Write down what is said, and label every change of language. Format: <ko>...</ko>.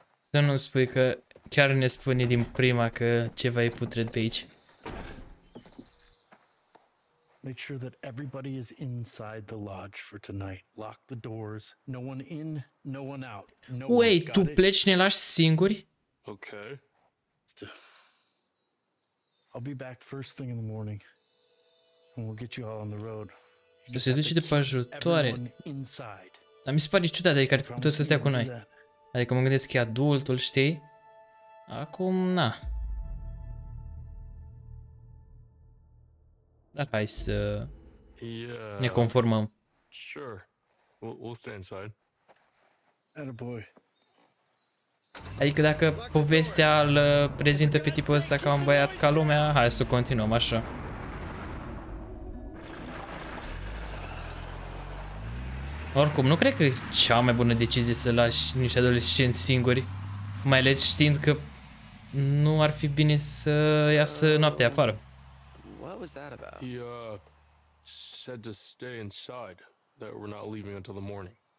<ro>Să nu-mi spui că chiar ne spune din prima că ceva e putred pe aici.</ro> <en>Make sure that everybody is inside the lodge for tonight. Lock the doors. No one in, no one out. No one. Wait,</en> <ro>tu pleci, ne lași singuri?</ro> <en>Okay. I'll be back first thing in the morning. And we'll get you all on the road.</en> <ro>Dar se duce de pe ajutoare. Dar mi se pare ciudat, adică ar fi putut să stea cu noi. Adică mă gândesc că e adultul, știi? Acum, na. Dar hai să ne conformăm.</ro> <en>Sure. We'll stay inside. Attaboy.</en> <ro>Adică dacă povestea îl prezintă pe tipul ăsta ca un băiat ca lumea, hai să continuăm așa. Oricum, nu cred că e cea mai bună decizie să lași niște adolescenți singuri. Mai ales știind că nu ar fi bine să iasă noaptea afară.</ro> <en>What was that about? He said to stay inside, that we're not leaving until the morning.</en>